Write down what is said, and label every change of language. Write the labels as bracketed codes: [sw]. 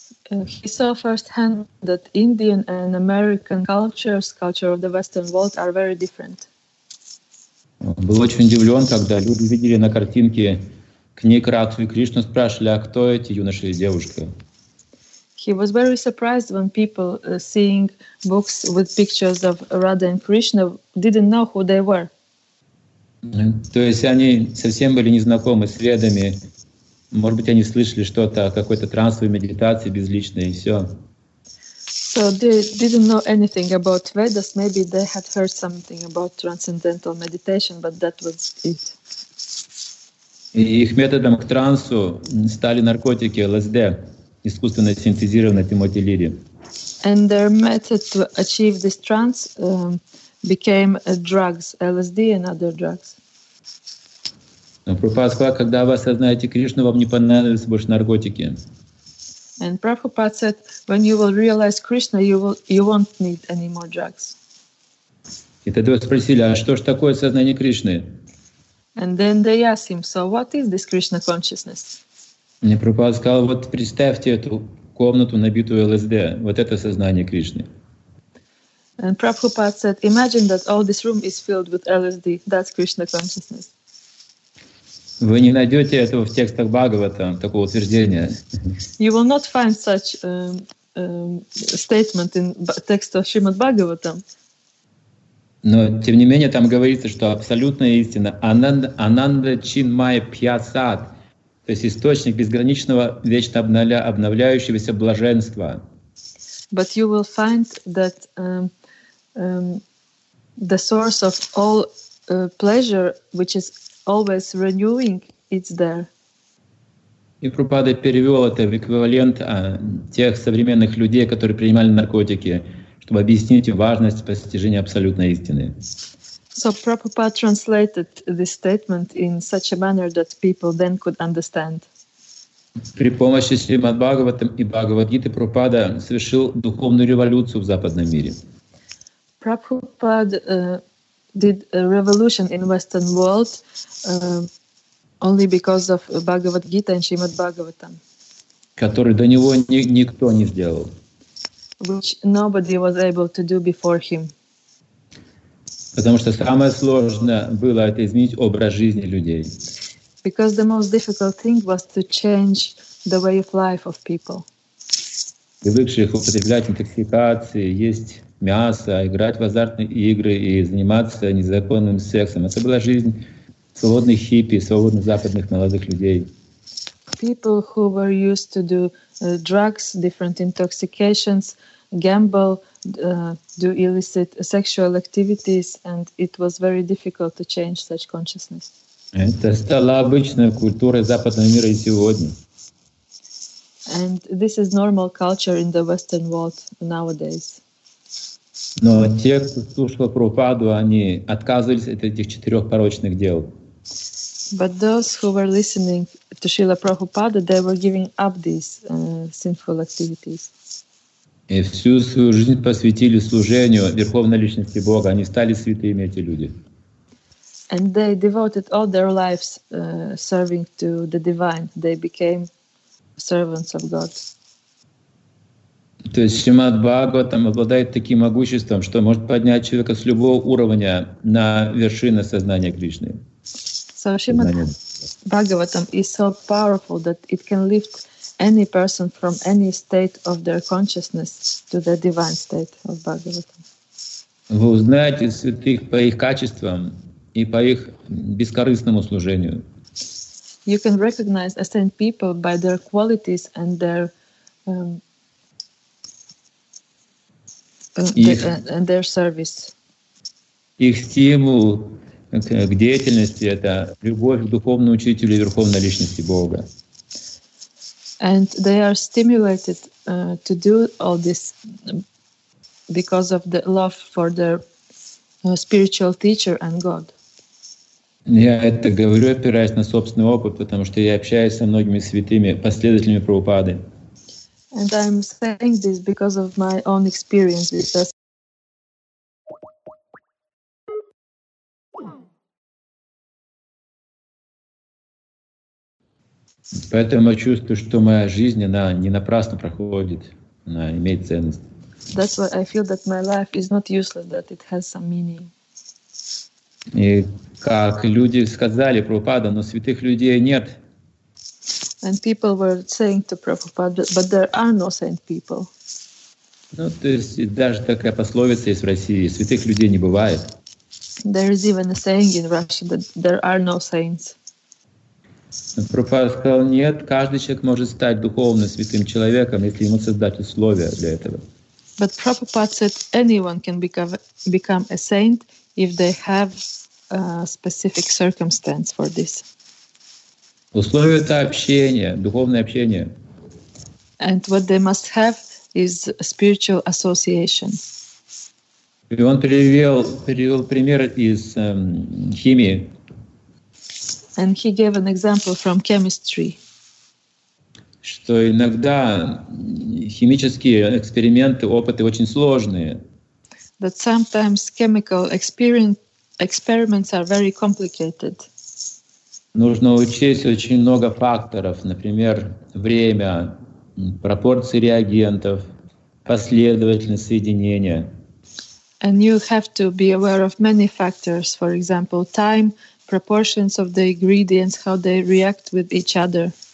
[en] He saw firsthand that Indian and American cultures, culture of the Western world, are very different. [ru] Он был очень удивлен, когда люди видели на картинке книг Радху и Кришну, спрашивали, а кто эти юноши и девушки? [en] He was very surprised when people seeing books with pictures of Radha and Krishna didn't know who they were. [ru] То есть они совсем были незнакомы с ведами. Может быть, они слышали что-то о какой-то трансовой медитации безличной и все. [en] So they didn't know anything about Vedas. Maybe they had heard something about transcendental meditation, but that was it. [ru] И их методом к трансу стали наркотики ЛСД. Искусственно синтезированный Тимоти Лири. [en] And their method to achieve this trance became drugs, LSD and other drugs. [ru] Но Прабхупада сказал, когда вы осознаете Кришну, вам не понадобятся больше наркотики. [en] And Prabhupada said, when you will realize Krishna, you won't need any more drugs. [ru] И тогда спросили, а что ж такое сознание Кришны? [en] And then they asked him, so what is this Krishna consciousness? [ru] Мне Прабхупада сказал, вот представьте эту комнату, набитую ЛСД, вот это сознание Кришны. [en] And Prabhupada said, imagine that all this room is filled with LSD, that's Krishna consciousness. [ru] Вы не найдете этого в текстах Бхагавата, такого утверждения. [en] You will not find such statement in text of Shrimad Bhagavatam. [ru] Но тем не менее там говорится, что абсолютная истина Ананда Чинмая Пьясад, то есть источник безграничного вечно обновляющегося блаженства. [en] But you will find that the source of all pleasure, which is always renewing, it's there. [ru] И Прабхупада перевел это в эквивалент тех современных людей, которые принимали наркотики, чтобы объяснить важность постижения абсолютной истины. [en] So Prabhupada translated this statement in such a manner that people then could understand. [ru] При помощи Шримад Бхагаватам и Бхагавад-гиты Прабхупада совершил духовную революцию в западном мире. [en] Prabhupada did a revolution in Western world only because of Bhagavad Gita and Shrimad Bhagavatam. [ru] Который до него никто не сделал. [en] Which nobody was able to do before him. [ru] Потому что самое сложное было это изменить образ жизни людей. [en] Because the most difficult thing was to change the way of life of people. [ru] Привыкших употреблять интоксикации, есть мясо, играть в азартные игры и заниматься незаконным сексом. Это была жизнь свободных хиппи, свободных западных молодых людей. [en] People who were used to do drugs, different intoxications, gamble, do illicit sexual activities, and it was very difficult to change such consciousness. [ru] Это стала обычной культурой западного мира и сегодня. [en] And this is normal culture in the Western world nowadays. [ru] Но те, кто слушал Прабхупаду, они отказывались от этих четырех порочных дел. [en] But those who were listening to Srila Prabhupada, they were giving up these sinful activities. [ru] И всю свою жизнь посвятили служению Верховной Личности Бога. Они стали святыми, эти люди. [en] And they devoted all their lives serving to the divine. They became servants of God. [ru] То есть Шримад Бхагаватам обладает таким могуществом, что может поднять человека с любого уровня на вершину сознания Кришны. [en] So Shrimad Bhagavatam is so powerful that it can lift any person from any state of their consciousness to the divine state of Bhagavatam. [ru] Вы узнаете святых по их качествам и по их бескорыстному служению. [en] You can recognize a saint people by their qualities and their and their service. [ru] Их стимул к деятельности — это любовь к духовному учителю и Верховной Личности Бога. [en] And they are stimulated to do all this because of the love for their spiritual teacher and God. [ru] Я это говорю, опираясь на собственный опыт, потому что я общаюсь со многими святыми последователями Прабхупады. [en] And I'm saying this because of my own experience. [ru] Поэтому я чувствую, что моя жизнь, она не напрасно проходит, она имеет ценность. [en] That's why I feel that my life is not useless, that it has some meaning. [ru] И как люди сказали Прабхупада, но святых людей нет. [en] And people were saying to Prabhupada, but there are no saint people. [ru] Ну, то есть даже такая пословица есть в России, святых людей не бывает. [en] There is even a saying in Russia that there are no saints. [ru] Прабхупада сказал, нет, каждый человек может стать духовно святым человеком, если ему создать условия для этого. [en] But Prabhupada said anyone can become a saint if they have a specific circumstance for this. [ru] Условия — это общение, духовное общение. [en] And what they must have is a spiritual association. [ru] И он привел пример из химии. [en] And he gave an example from chemistry. [ru] Что иногда химические эксперименты, опыты очень сложные. [en] That sometimes chemical experiments are very complicated. [ru] Нужно учесть очень много факторов, например, время, пропорции реагентов, последовательность соединения. [en] And you have to be aware of many factors, for example, time, proportions of the ingredients, how they react with each other.